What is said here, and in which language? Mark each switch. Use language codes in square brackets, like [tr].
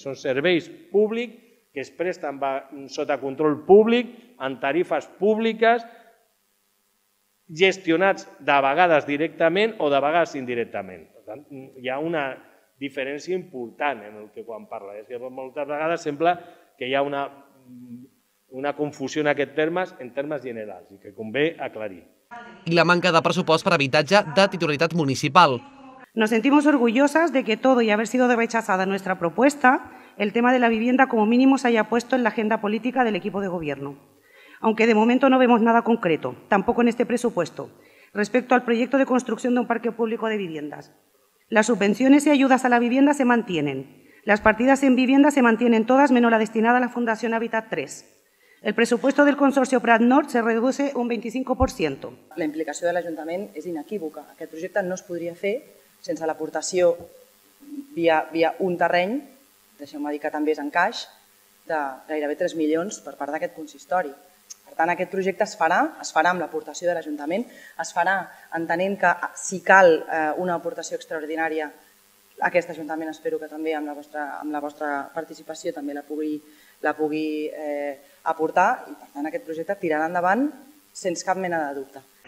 [ca] Són serveis públics que es presten sota control públic, en tarifes públiques, gestionats de vegades directament o de vegades indirectament. Per tant, hi ha una diferència important en el que quan parla. És que moltes vegades sembla que hi ha una confusió en aquests termes, en termes generals, i que convé aclarir. I la manca de pressupost per habitatge de titularitat municipal. [es] Nos sentimos orgullosas de que todo y haber sido rechazada nuestra propuesta, el tema de la vivienda como mínimo se haya puesto en la agenda política del equipo de gobierno. Aunque de momento no vemos nada concreto, tampoco en este presupuesto, respecto al proyecto de construcción de un parque público de viviendas. Las subvenciones y ayudas a la vivienda se mantienen. Las partidas en vivienda se mantienen todas, menos la destinada a la Fundación Hábitat 3. El presupuesto del Consorcio Prat Nord se reduce un 25%. La implicación del Ayuntamiento es inequívoca. [ca] Aquest projecte no es podria fer sense l'aportació via un terreny, deixeu-me dir que també és en caix, de gairebé 3 milions per part d'aquest consistori. Per tant, aquest projecte es farà amb l'aportació de l'Ajuntament, es farà entenent que si cal una aportació extraordinària, aquest Ajuntament espero que també amb la vostra participació també la pugui aportar, i per tant aquest projecte tirarà endavant sense cap mena de dubte.